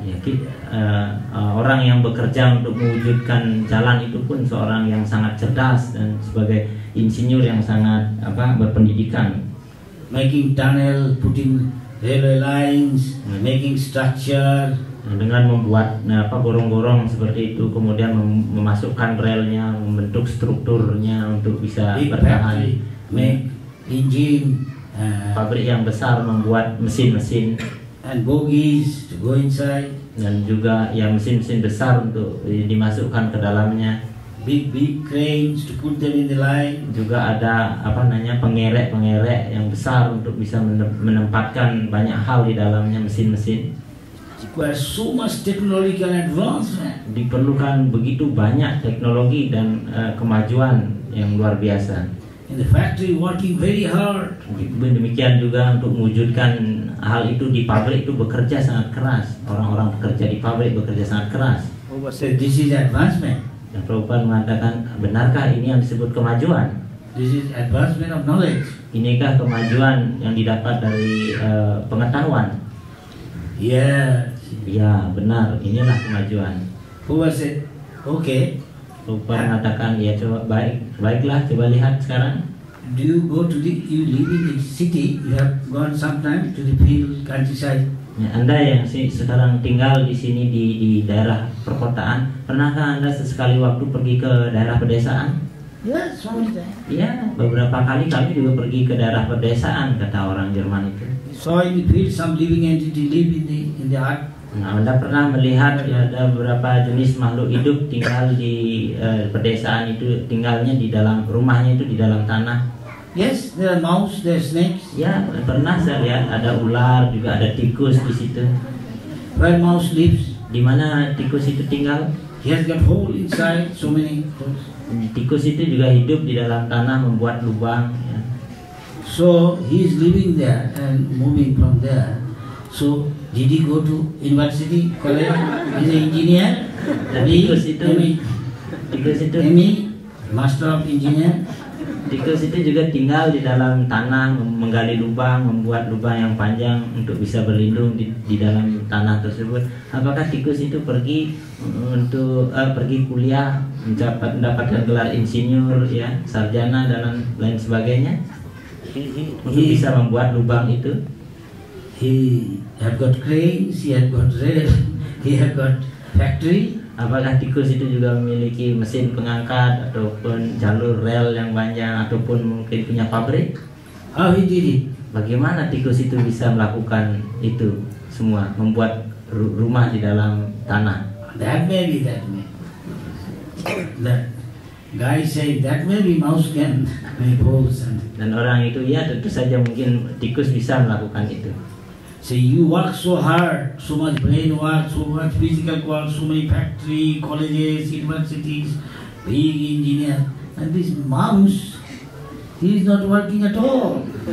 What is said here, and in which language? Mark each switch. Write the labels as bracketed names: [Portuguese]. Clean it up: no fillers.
[Indonesian] Ya, orang yang bekerja untuk mewujudkan jalan itu pun seorang yang sangat cerdas dan sebagai insinyur yang sangat berpendidikan. [English] Making tunnel, putting railway lines, making structure. [Indonesian] Dengan membuat gorong-gorong seperti itu, kemudian memasukkan relnya, membentuk strukturnya untuk bisa [English] big [Indonesian] bertahan. [English] Make engine. [Indonesian] Pabrik yang besar membuat mesin-mesin. [English] And bogies to go inside. [Indonesian] Dan juga ya mesin-mesin besar untuk dimasukkan ke dalamnya. [English] Big cranes to put them in the line. [Indonesian] Juga ada pengerek-pengerek yang besar untuk bisa menempatkan banyak hal di dalamnya, mesin-mesin. [English] Require so much technological advancement. [Indonesian] Diperlukan begitu banyak teknologi dan kemajuan yang luar biasa. [English] In the factory working very hard. [Indonesian] Demikian juga untuk mewujudkan hal itu di pabrik itu bekerja sangat keras. Orang-orang bekerja di pabrik bekerja sangat keras. [English] This is advancement. [Indonesian] Dan Prabhupada mengatakan, benarkah ini yang disebut kemajuan? [English] This is advancement of knowledge. [Indonesian] Inikah kemajuan yang didapat dari pengetahuan? [English] Yes. [Indonesian] Ya, benar. Inilah kemajuan. [English] Who was it? Okay. [Indonesian] Prabhupada mengatakan, ya coba baiklah, coba lihat sekarang. [English] Do you go to the, you live in the city, you have gone sometime to the field countryside? [Indonesian] Ya, Anda yang sekarang tinggal di sini di daerah perkotaan, pernahkah Anda sesekali waktu pergi ke daerah pedesaan? [English] Yes, sometimes. [Indonesian] Ya, beberapa kali kami juga pergi ke daerah pedesaan, kata orang Jerman itu. [English] So in the field some living entity live in the art. [Indonesian] Nah, Anda pernah melihat ya, ada beberapa jenis makhluk hidup tinggal di pedesaan itu, tinggalnya di dalam rumahnya itu di dalam tanah? [English] Yes, there are mouse, there are snakes. [Indonesian] Ya, pernah saya lihat ada ular, juga ada tikus di situ. [English] Where mouse lives? [Indonesian] Di mana tikus itu tinggal? [English] He has got hole inside, so many holes. [Indonesian] Tikus itu juga hidup di dalam tanah, membuat lubang. Ya. [English] So he is living there and moving from there. So did he go to university, college, he's an engineer? [Indonesian] Tikus itu, [English] master of engineer. [Indonesian] Tikus itu juga tinggal di dalam tanah, menggali lubang, membuat lubang yang panjang untuk bisa berlindung di dalam tanah tersebut. Apakah tikus itu pergi untuk pergi kuliah, mendapatkan gelar insinyur, ya, sarjana dan lain sebagainya untuk bisa membuat lubang itu? [English] He have got cranes, he have got rail, he have got factory. [Indonesian] Apakah tikus itu juga memiliki mesin pengangkat ataupun jalur rel yang panjang ataupun mungkin punya pabrik? [English] How he did it? [Indonesian] Bagaimana tikus itu bisa melakukan itu semua, membuat rumah di dalam tanah? [English] That may be. The guy say that may be mouse can make holes. [Indonesian] Dan orang itu ya tentu saja mungkin tikus bisa melakukan itu. [English] So you work so hard, so much brain work, so much physical work, so many factory, colleges, universities, big engineer, and this mouse, he is not working at all.